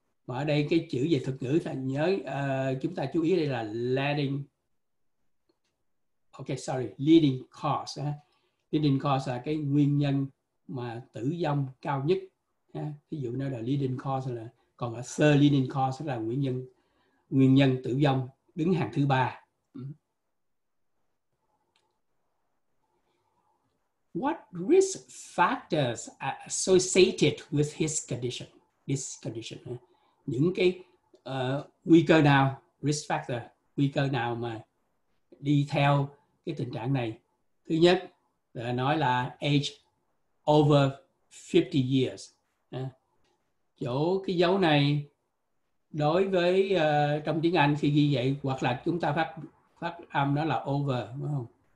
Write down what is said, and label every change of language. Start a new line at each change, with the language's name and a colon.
Vietnamese: Mà ở đây cái chữ về thuật ngữ là nhớ chúng ta chú ý đây là leading,
English: okay sorry,
Vietnamese: leading cause, leading cause là cái nguyên nhân mà tử vong cao nhất. Ví dụ nó là leading cause, là còn là
English: third leading cause
Vietnamese: là nguyên nhân tử vong đứng hàng thứ ba.
English: What risk factors are associated with his condition? This condition.
Vietnamese: Những cái nguy cơ nào, risk factor, nguy cơ nào mà đi theo cái tình trạng này. Thứ nhất, nói là
English: age over 50 years.
Vietnamese: Chỗ cái dấu này đối với trong tiếng Anh khi ghi vậy, hoặc là chúng ta phát âm nó là over, đúng không?